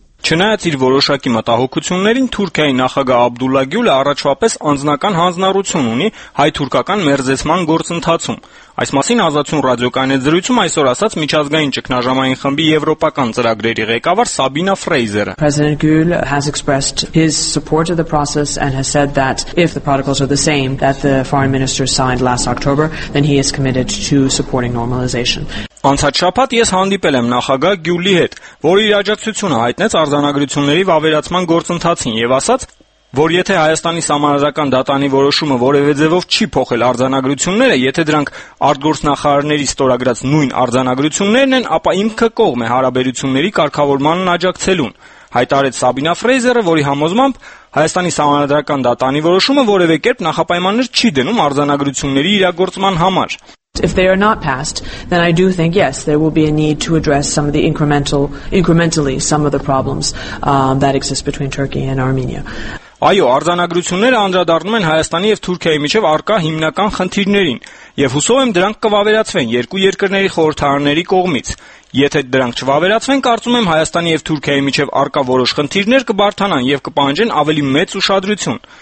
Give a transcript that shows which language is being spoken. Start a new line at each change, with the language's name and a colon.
Armenian: Չնայած իր որոշակի մտահոգություններին, Թուրքիայի նախագահ Աբդուլլա Գյուլը առաջվապես անձնական հանձնառություն ունի հայ-թուրքական մերձեցման գործընթացում։ Այս մասին Ազատություն ռադիոկայանի զրույցում այսօր ասաց միջազգային ճգնաժամային խմբի եվրոպական ծրագրերի ղեկավար Սաբինա Ֆրեյզերը։
English: President Gül has expressed his support of the process and has said that if the protocols are the same that the foreign minister signed last October, then he is committed to supporting normalization.
Armenian: Անցած շաբաթ ես հանդիպել եմ նախագահ Գյուլի հետ, որը իր աջակցությունը հայտնեց արձանագրությունների վավերացման գործընթացին եւ ասաց, որ եթե Հայաստանի սահմանադրական դատանի որոշումը որևէ ձևով չի փոխել արձանագրությունները, եթե դրանք արտգործնախարարների ստորագրած նույն արձանագրություններն են, ապա ինքը կողմ է հարաբերությունների կարգավորմանն աջակցելուն, հայտարարեց Սաբինա Ֆրեյզերը, որի համոզմամբ Հայաստանի սահմանադրական դատանի որոշումը որևէ կերպ նախապայմաններ չի դնում արձանագրությունների իրագործման համար։
English: If they are not passed, then I do think, yes, there will be a need to address some of the incrementally some of the problems that exist between Turkey and Armenia.
Armenian: Այո, արձանագրությունները անդրադառնում են Հայաստանի եւ Թուրքիայի միջև առկա հիմնական խնդիրներին, եւ հուսով եմ դրանք կվավերացվեն երկու երկրների խորհրդարանների կողմից։ Եթե դրանք չվավերացվեն, կարծում եմ Հայաստանի եւ Թուրքիայի միջև առկա որոշ խնդիրներ կբարթանան եւ կպահանջեն ավելի մեծ ուշադրություն։